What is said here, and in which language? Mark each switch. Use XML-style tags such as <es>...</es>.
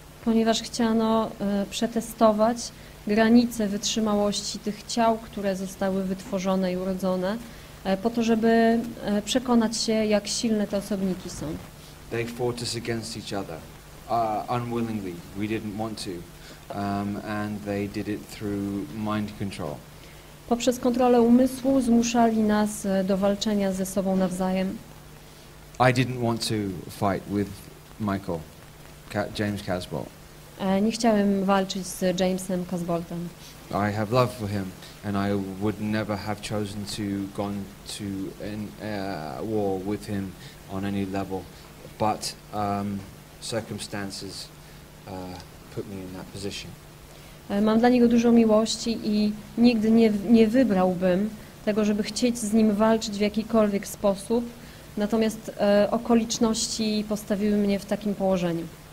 <pl>Ponieważ chciano przetestować granice wytrzymałości tych ciał, które zostały wytworzone i urodzone, po to, żeby przekonać się, jak silne te osobniki są.</pl> <en>They fought us against each other, unwillingly. We didn't want to. And they did it through mind control.</en> <pl>Poprzez kontrolę umysłu zmuszali nas do walczenia ze sobą nawzajem.</pl> <en>I didn't want to fight with Michael, James Casbolt.</en> <pl>Nie chciałem walczyć z Jamesem Casboltem.</pl> <en>I have love for him, and I would never have chosen to gone to a war with him on any level, but circumstances put me in that position.</en> <pl>Mam dla niego dużo miłości i nigdy nie wybrałbym tego, żeby chcieć z nim walczyć w jakikolwiek sposób. Natomiast okoliczności postawiły mnie w takim położeniu.</pl>